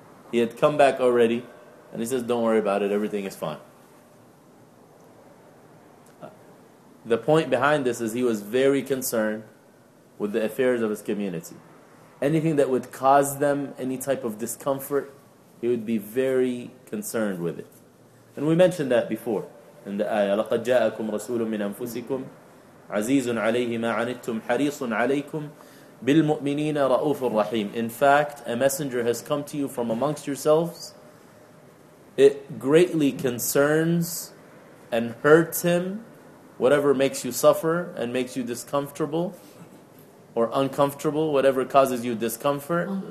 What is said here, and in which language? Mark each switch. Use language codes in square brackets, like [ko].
[en] He had come back already and he says, "Don't worry about it, everything is fine." The point behind this is he was very concerned with the affairs of his community. Anything that would cause them any type of discomfort, he would be very concerned with it. And we mentioned that before in the ayah, [ar] لَقَدْ جَاءَكُمْ رَسُولٌ مِّنْ أَنفُسِكُمْ عَزِيزٌ عَلَيْهِ مَا عَنِتُّمْ حَرِيصٌ عَلَيْكُمْ بِالْمُؤْمِنِينَ رَؤُوفُ الرَّحِيمِ. [en] In fact, a messenger has come to you from amongst yourselves. It greatly concerns and hurts him whatever makes you suffer and makes you discomfortable or uncomfortable, whatever causes you discomfort.